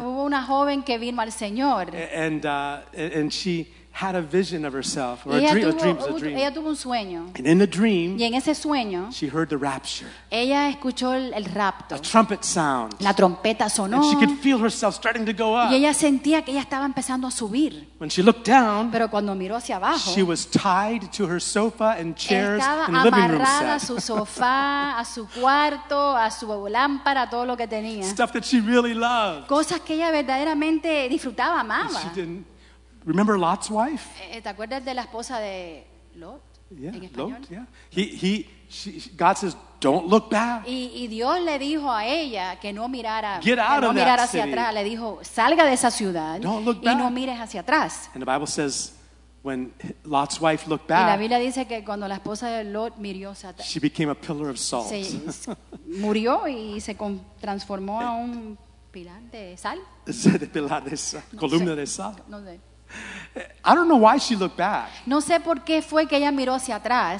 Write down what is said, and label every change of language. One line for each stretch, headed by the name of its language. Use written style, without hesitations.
Spanish: Hubo una joven que vino al Señor.
English: And she had a vision of herself, or a dream.
Spanish: Ella tuvo un sueño.
English: And in the dream,
Spanish: y en ese sueño,
English: she heard the rapture.
Spanish: Ella escuchó el rapto.
English: A trumpet sound.
Spanish: La trompeta sonó.
English: And she could feel herself starting to go up.
Spanish: Y ella sentía que ella estaba empezando a subir.
English: When she looked down,
Spanish: pero cuando miró hacia abajo,
English: she was tied to her sofa and chairs
Spanish: estaba
English: and living room set.
Spanish: Amarrada a su sofá, a su cuarto, a su lámpara, todo lo que tenía.
English: Stuff that she really loved.
Spanish: Cosas que ella verdaderamente disfrutaba, amaba.
English: She didn't. Remember Lot's wife?
Spanish: ¿Te acuerdas de la esposa de Lot?
English: Yeah,
Spanish: en español?
English: Lot, yeah. She, God says, don't look back.
Spanish: Y Dios le dijo a ella que no mirara,
English: get out
Spanish: que no
English: of
Spanish: mirara
English: that
Spanish: hacia
English: city.
Spanish: Atrás. Le dijo, salga de esa ciudad
English: don't look back.
Spanish: Y no mires hacia atrás.
English: And the Bible says, when Lot's wife looked back,
Spanish: y la Biblia dice que cuando la esposa de Lot miró hacia atrás,
English: she became a pillar of salt.
Spanish: Se murió y se transformó a un pilar de sal. De pilar de sal, columna de sal. No sé.
English: I don't know why she looked back.
Spanish: No sé por qué fue que ella miró hacia atrás.